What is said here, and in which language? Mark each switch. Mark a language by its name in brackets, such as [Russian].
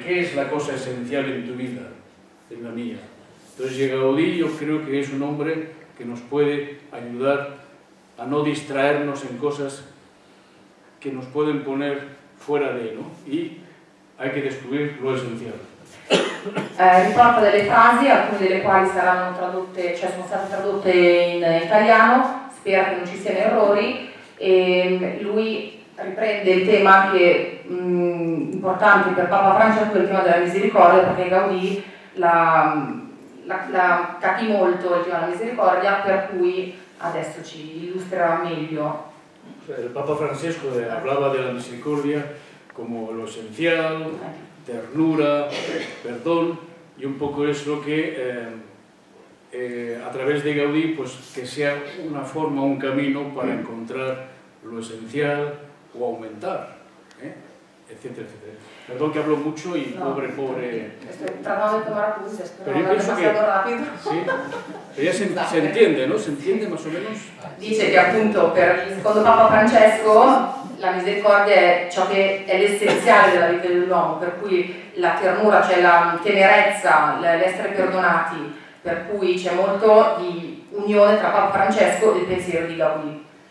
[Spanish] ¿Qué es la cosa esencial en tu vida, en la mía? Entonces, llega Gaudí, yo creo que es un hombre que nos puede ayudar a no distraernos en cosas que nos pueden poner fuera de, ¿no? Y hay que descubrir lo esencial. [Italian] Riporto delle frasi, alcune delle quali saranno tradotte, cioè sono state tradotte in italiano, spero che non ci siano errori. E lui riprende il tema che importante per Papa Francesco, il tema della misericordia, perché Gaudì la capì molto il tema della misericordia, per cui adesso ci illustrerà meglio. Il Papa Francesco parlava della misericordia come [Spanish] lo esencial, ternura, perdono, e un po' questo che a través de Gaudí, pues que sea una forma, un camino para encontrar lo esencial o aumentar, etcétera, etcétera. Perdón que hablo mucho y no, pobre. Estoy tratando de tomar apuntes, pero no demasiado rápido. Sí, pero ya se entiende, ¿no? Se entiende más o menos. Dice que [Italian] appunto, per il secondo Papa Francesco, la misericordia è ciò che è l'essenziale della vita dell'uomo, per cui la ternura, cioè la tenerezza, l'essere perdonati. Per cui c'è molto di unione tra Papa Francesco e il pensiero di Gaudí.